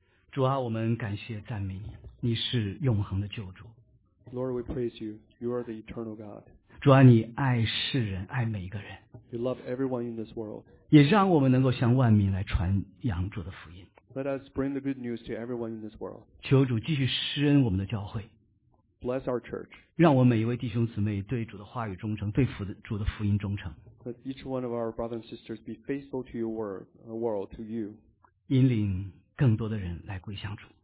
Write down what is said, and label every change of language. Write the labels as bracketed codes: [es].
[zh] 主啊，我们感谢赞美你，你是永恒的救主。 [en] Lord, we praise you. You are the eternal God. [zh] 主啊，你爱世人，爱每一个人。 [en] You love everyone in this world. [zh] 也让我们能够向万民来传扬主的福音。 [en] Let us bring the good news to everyone in this world. [zh] 求主继续施恩我们的教会。 [en] Bless our church. [zh] 让我们每一位弟兄姊妹对主的话语忠诚，对主的福音忠诚。 [en] Let each one of our brothers and sisters be faithful to your word, world, to you. [zh] 引领更多的人来归向主。